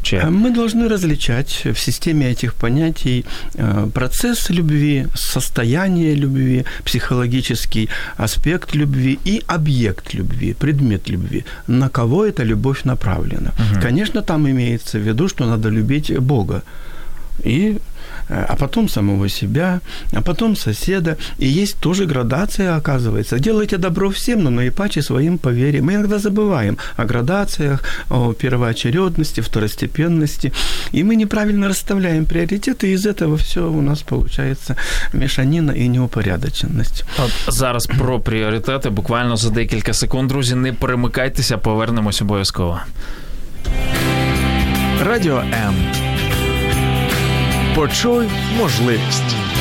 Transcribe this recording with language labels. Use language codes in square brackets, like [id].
[uk] Ми повинні розлічати в системі цих понять процес любви, состояние любви, психологічний аспект любви і об'єкт любви, предмет любви. На кого ця любов направлена? Звісно, там имеется в виду, що треба любити Бога. и... [ru] А потом самого себя, а потом соседа. И есть тоже градация, оказывается. Делайте добро всем, но наипаче своим поверьте. Мы иногда забываем о градациях, о первоочередности, второстепенности. И мы неправильно расставляем приоритеты, и из этого все у нас получается мешанина и неупорядоченность. [uk] От зараз про пріоритети, буквально за декілька секунд, друзі, не перемикайтеся, повернемось обов'язково. Радіо М. Почуй можливість.